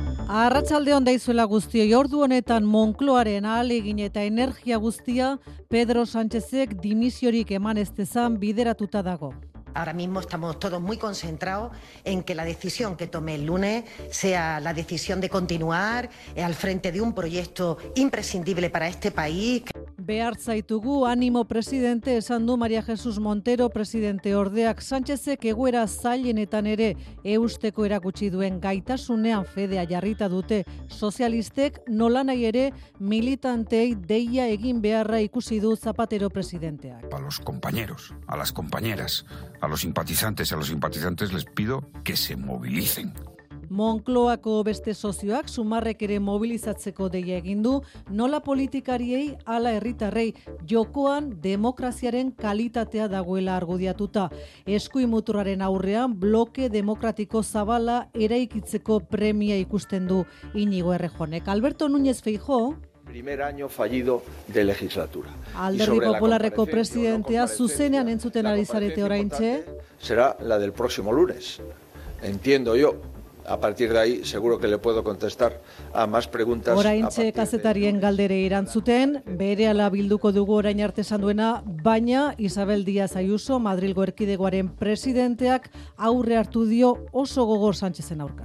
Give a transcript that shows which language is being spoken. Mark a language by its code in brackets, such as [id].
[eu] Arratsaldeon daizuela guztioi, ordu honetan Moncloaren ahalegin eta energia guztia Pedro Sánchezek dimisiorik eman ez dezan bideratuta dago. [es] Ahora mismo estamos todos muy concentrados en que la decisión que tome el lunes sea la decisión de continuar al frente de un proyecto imprescindible para este país. [eu] Behar zaitugu, animo presidente, esan du María Jesús Montero, presidente ordeak. Sánchezek egoera zailenetan ere eusteko erakutsi duen gaitasunean fedea jarrita dute. Sozialistek nola nahi ere militantei deia egin beharra ikusi du Zapatero presidenteak. [es] A los compañeros, a las compañeras, a los simpatizantes, les pido que se movilicen. [eu] Moncloako beste sozioak Sumarrek ere mobilizatzeko deia egin du, nola politikariei hala herritarrei jokoan demokraziaren kalitatea dagoela argudiatuta. Eskuin muturraren aurrean bloke demokratiko zabala eraikitzeko premia ikusten du Iñigo Errejonek. [es] Alberto Núñez Feijó. Primer año fallido de legislatura. [eu] Alderdi Popularreko presidentea zuzenean entzuten ari zarete oraintxe. [es] Será la del próximo lunes. Entiendo yo. A partir de ahí, seguro que le puedo contestar a más preguntas. [eu] Oraintxe kazetarien galdere erantzuten, berehala bilduko dugu orain arte esan duena, baina Isabel Díaz Ayuso, Madrilgo erkidegoaren presidenteak, aurre hartu dio oso gogor Sánchezen aurka.